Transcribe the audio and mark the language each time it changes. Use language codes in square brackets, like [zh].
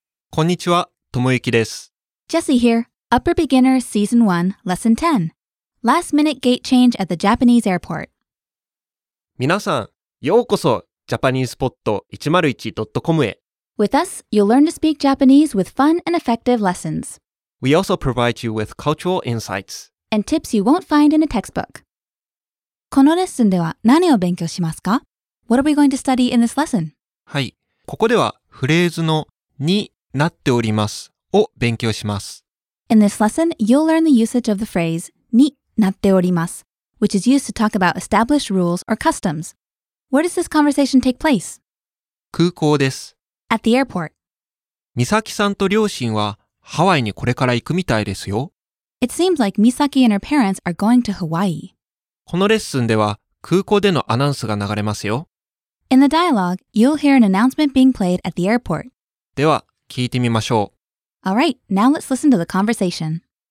[ja] こんにちは、ともゆきです。 [en] Jesse here, Upper Beginner Season 1, Lesson 10. Last Minute Gate Change at the Japanese Airport. [ja] 皆さん、ようこそ japanesepod101.com へ。 [en] With us, you'll learn to speak Japanese with fun and effective lessons. We also provide you with cultural insights. And tips you won't find in a textbook. [ja] このレッスンでは何を勉強しますか? [en] What are we going to study in this lesson? [ja] はい、ここではフレーズの2なっておりますを勉強します。 [en] In this lesson, you'll learn the usage of the phrase になっております, which is used to talk about established rules or customs. Where does this conversation take place? [ja] 空港です。 [en] At the airport. [ja] 美咲さんと両親はハワイにこれから行くみたいですよ。 [en] It seems like Misaki and her parents are going to Hawaii. [ja] このレッスンでは空港でのアナウンスが流れますよ。 [en] In the dialogue, you'll hear an announcement being played at the airport. [ja] では、聞いてみましょう。 [en] All right, now let's listen to the conversation.